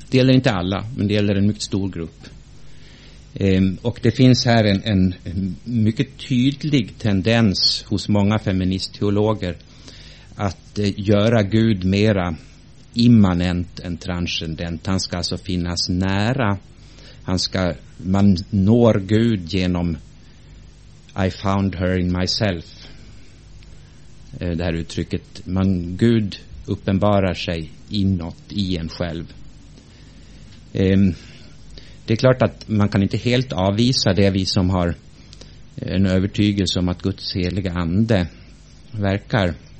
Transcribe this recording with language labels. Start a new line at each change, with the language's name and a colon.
Swedish: Det gäller inte alla, men det gäller en mycket stor grupp. Och det finns här en mycket tydlig tendens hos många feministteologer att göra Gud mera immanent än transcendent. Han ska alltså finnas nära. Man når Gud genom
English: I found her in myself.
Swedish: Det här uttrycket. Gud uppenbarar sig inåt i en själv. Det är klart att man kan inte helt avvisa det, vi som har en övertygelse om att Guds heliga ande verkar.